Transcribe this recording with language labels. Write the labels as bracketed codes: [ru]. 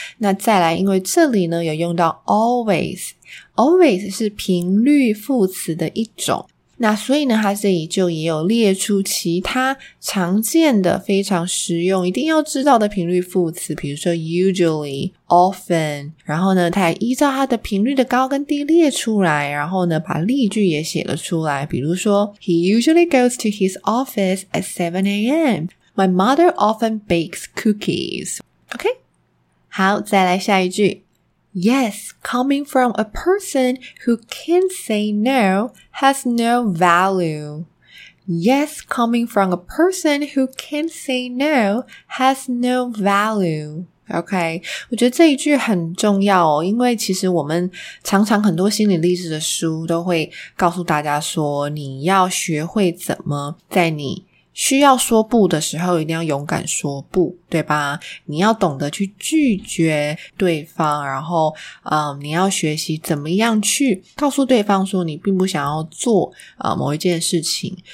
[zh] 那再来因为这里呢有用到 always， always 是频率副词的一种，那所以呢他这里就也有列出其他常见的非常实用一定要知道的频率副词，比如说 usually, often， 然后呢他也依照他的频率的高跟低列出来，然后呢把例句也写了出来，比如说 [en] He usually goes to his office at 7 a.m. My mother often bakes cookies. [zh] OK? 好，再来下一句。 [en] Yes, coming from a person who can't say no has no value. Yes, coming from a person who can't say no has no value. [zh] OK, 我觉得这一句很重要哦，因为其实我们常常很多心理励志的书都会告诉大家说你要学会怎么在你需要说不的时候一定要勇敢说不，对吧？你要懂得去拒绝对方，然后你要学习怎么样去告诉对方说你并不想要做某一件事情。